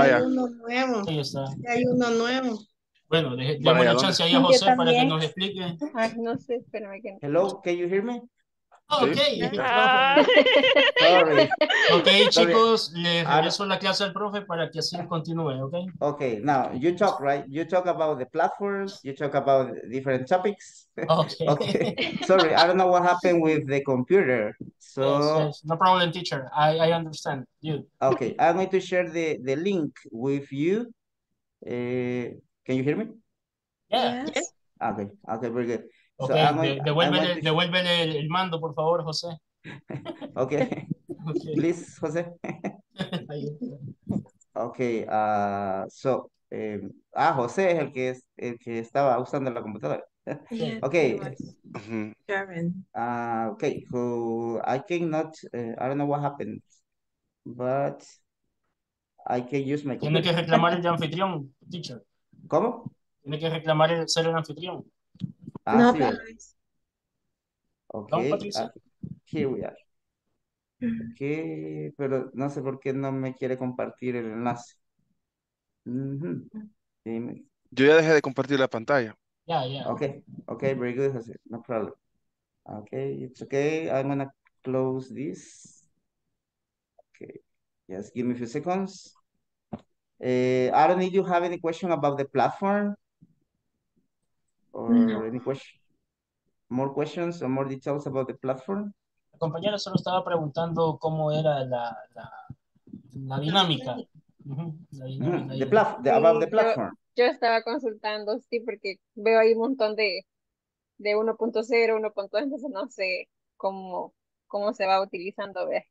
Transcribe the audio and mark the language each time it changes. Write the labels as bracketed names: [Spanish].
[Spanish] Hay uno nuevo. Ahí está. Sí, hay uno nuevo. Bueno, déjame la chance ahí a José para que nos explique. Ay, no sé, espérame que no. [English] Hello, can you hear me? Okay. [Spanish] Ah. Ok, chicos, les regreso la clase al profe para que así continúe, ¿ok? [English] Ok, now, you talk, right? You talk about the platforms, you talk about different topics. Okay. Sorry, I don't know what happened with the computer, so... Yes. No problem, teacher, I understand you. Okay, I'm going to share the link with you. Can you hear me? Yeah. Yes. Okay, very good. [Spanish] Okay, so devuélvele el mando, por favor, José. [English] Okay. Please, José. [Spanish] Okay, so José es el que estaba usando la computadora. [English] Yeah, okay. Karen. Okay, who I cannot I don't know what happened. But I can use my computer. [Spanish] Tiene que reclamar el anfitrión, teacher. ¿Cómo? Tiene que reclamar el ser el anfitrión. Ah, sí. [English] Okay. Here we are. [Spanish] Okay, pero no sé por qué no me quiere compartir el enlace. Mm-hmm. Yo ya dejé de compartir la pantalla. [English] Yeah. Okay, very good, José. No problem. Okay, it's okay. I'm gonna close this. Okay, just give me a few seconds. I don't need you have any question about the platform or no. Any question, more questions or more details about the platform. [Spanish] Compañera solo estaba preguntando cómo era la dinámica. [English] The platform. [Spanish] Yo estaba consultando, sí, porque veo ahí un montón de 1.0, 1.2, entonces no sé cómo se va utilizando.